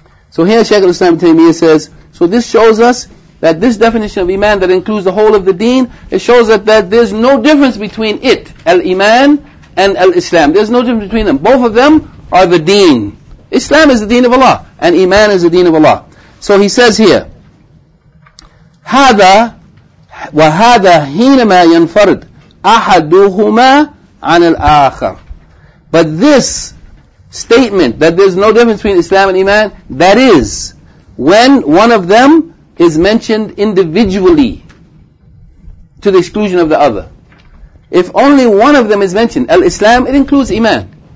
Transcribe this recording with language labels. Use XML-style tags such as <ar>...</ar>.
<en>So here Shaykh al-Islam Taymiyyah says, so this shows us that this definition of iman that includes the whole of the deen, it shows that, there's no difference between it, al-iman, and al-Islam. There's no difference between them. Both of them are the deen. Islam is the deen of Allah, and iman is the deen of Allah. So he says here,</en> <ar>هَذَا وَهَذَا هِينَمَا يَنْفَرِدْ أَحَدُهُمَا عَنِ الْآخَرِ.</ar> <en>But this statement that there's no difference between Islam and iman, that is when one of them is mentioned individually to the exclusion of the other. If only one of them is mentioned, al-Islam, it includes iman.</en>